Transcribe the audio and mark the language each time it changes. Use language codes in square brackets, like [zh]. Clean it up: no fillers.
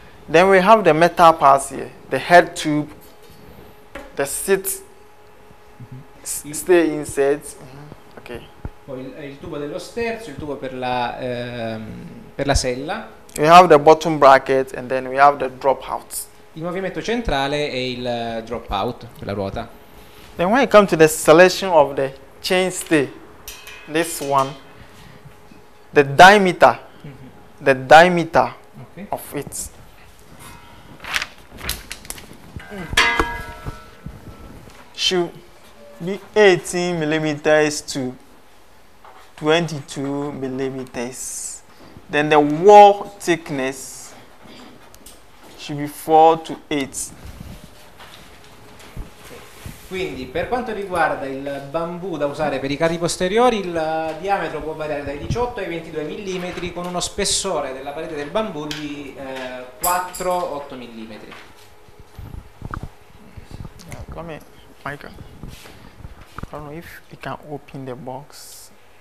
[en] Then we have the metatarsia, the head tube, the sits stay inside. Okay. [it] Poi il tubo dello sterzo, il tubo per la sella. [en] We have the bottom bracket and then we have the dropout. [it] Il movimento centrale e il dropout per la ruota. [en] Then when you come to the selection of the chain stay, this one, the diameter, the diameter of it. Should be 18 millimeters to 22 millimeters. Then the wall thickness should be 4 to 8. [it] Quindi, per quanto riguarda il bambù da usare per i carri posteriori, il diametro può variare dai 18 ai 22 mm con uno spessore della parete del bambù di 4-8 mm. [en] Come Michael, I don't know if you can open the box.